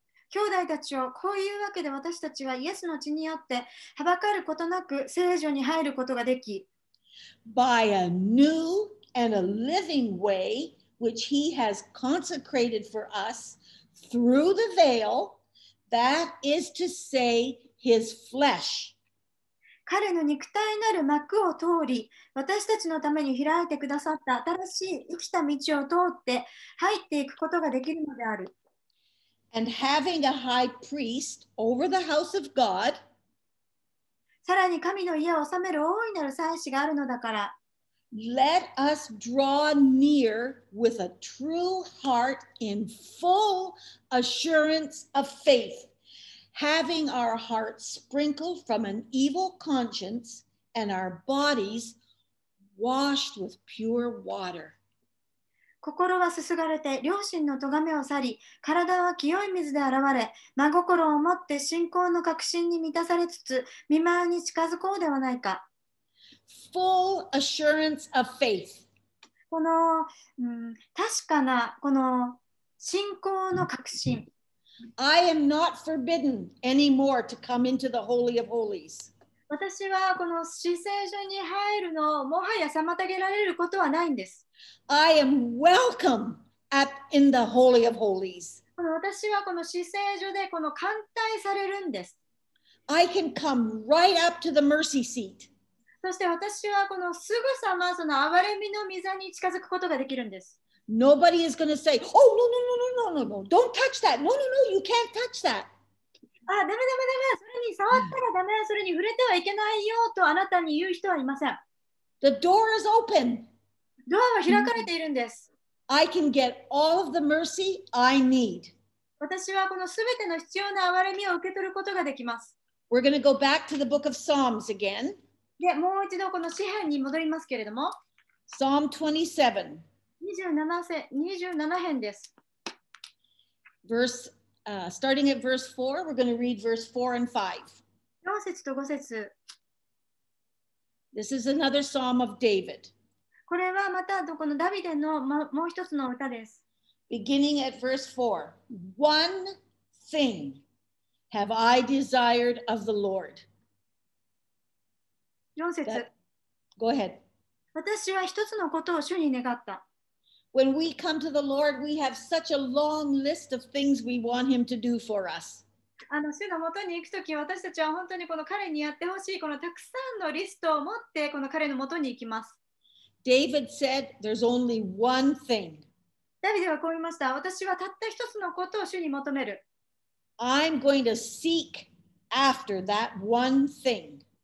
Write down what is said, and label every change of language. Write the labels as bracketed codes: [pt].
[ja] 兄弟たちよ、こういうわけで私たちはイエスの血によってはばかることなく聖所に入ることができ。 [en] By a new and a living way which he has consecrated for us through the veil. That is to say, his flesh. [ja] 彼の肉体なる幕を通り、私たちのために開いてくださった新しい生きた道を通って入っていくことができるのである。 [en] And having a high priest over the house of God, [ja] さらに神の家を治める大いなる祭司があるのだから。 [en] Let us draw near with a true heart in full assurance of faith, having our hearts sprinkled from an evil conscience and our bodies washed with pure water. [ja] 心はすすがれて良心の咎めを去り、体は清い水で洗われ、真心を持って信仰の確信に満たされつつ、御前に近づこうではないか。 [en] Full assurance of faith. [ja] この、確かなこの信仰の確信。 [en] I am not forbidden anymore to come into the Holy of Holies. [ja] 私はこの至聖所に入るのをもはや妨げられることはないんです。 [en] I am welcome at, in the Holy of Holies. [ja] この私はこの至聖所でこの歓待されるんです。 [en] I can come right up to the mercy seat. [ja] そして私はこのすぐさまその憐れみの御座に近づくことができるんです。 [en] Nobody is going to say, oh, no, no, no, no, no, no, no, don't touch that. No, no, no, you can't touch that. [ja] あ、ダメダメダメ、それに触ったらダメ、それに触れてはいけないよとあなたに言う人はいません。 [en] The door is open. [ja] ドアは開かれているんです。 [en] I can get all of the mercy I need. [ja] 私はこのすべての必要な憐れみを受け取ることができます。 [en] We're going to go back to the book of Psalms again. [ja] でもう一度この詩編に戻りますけれども [en] Psalm [ja] 27編です [en] starting at verse 4 we're going to read verse 4 and 5 4 [ja] 節と5節 [en] This is another psalm of David [ja] これはまたこのダビデのもう一つの歌です [en] Beginning at verse 4 One thing have I desired of the Lord Go ahead. [ja] 私は一つのことを主に願った。 [en] When we come to the Lord, we have such a long list of things we want Him to do for us. [ja] あの主の元に行くとき、私たちは本当にこの彼にやってほしいこのたくさんのリストを持ってこの彼の元に行きます。 [en] David said, "There's only one thing." [ja] ダビデはこう言いました。私はたった一つのことを主に求める。 [en] I'm going to seek after that one thing.